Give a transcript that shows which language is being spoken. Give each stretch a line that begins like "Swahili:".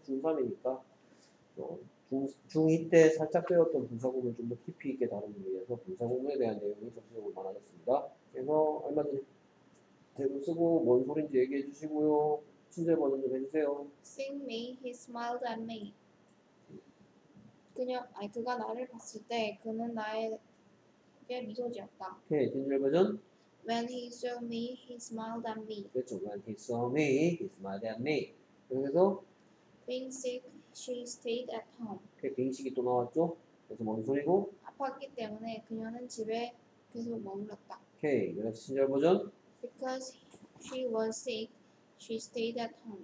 Korean: 중3이니까 중2 때 살짝 배웠던 분사구문을 좀 더 깊이 있게 다루기 위해서 분사구문에 대한 내용이 적극적으로 많아졌습니다. 그래서 얼마 전에 대본 쓰고 뭔 소린지 얘기해 주시고요. 친절 번호 좀 해주세요.
English: Seeing me, he smiled at me.
Korean: 그가 나를 봤을 때 그는 나에게 미소 지었다. 오케이. 진절 버전.
English: When he saw me, he smiled at me.
Korean: 그렇죠.
English: When he saw me, he smiled at me.
Korean: 그래서
English: Being sick, she stayed at home.
Korean: 오케이. 빙식이 또 나왔죠. 그래서 뭔 소리고? 아팠기 때문에 그녀는 집에 계속 머물렀다. 오케이. 오케이. 그래서 친절 버전.
English: Because she was sick, she stayed at home.